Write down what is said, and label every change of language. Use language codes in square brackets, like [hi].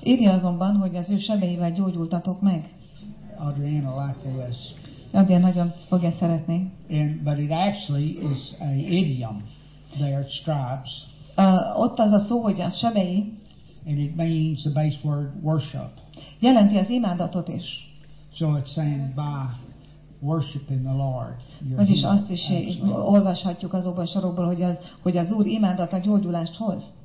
[hu] Írja azonban, hogy az ő sebeivel gyógyultatok meg. Adriana Lakeles. Adriana nagyon fogja szeretni. [en] But it actually is an idiom, there, stripes. [hu] Ott az a szó, hogy az sebei. [en] And it means the base word worship. [hu] Jelenti az imádatot is. [en] So it's saying by worshiping the Lord. [hu] Vagyis azt is olvashatjuk az óvai sorokból, hogy az Úr imádat a gyógyulást hoz.